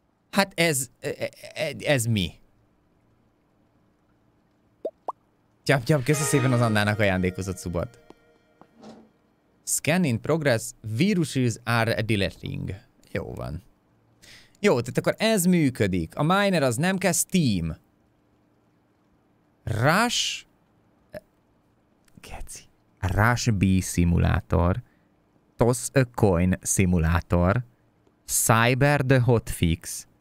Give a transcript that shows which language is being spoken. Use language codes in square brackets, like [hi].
[hu] Hát ez mi? Gyap, köszi szépen az Annának ajándékozott szubot. [en] Scan in progress, viruses are deleting. [hu] Jó van. Jó, tehát akkor ez működik. A miner az nem kell Steam. Rush... Geci. Rush B simulator. [en] Toss a coin simulator. Cyber the hotfix.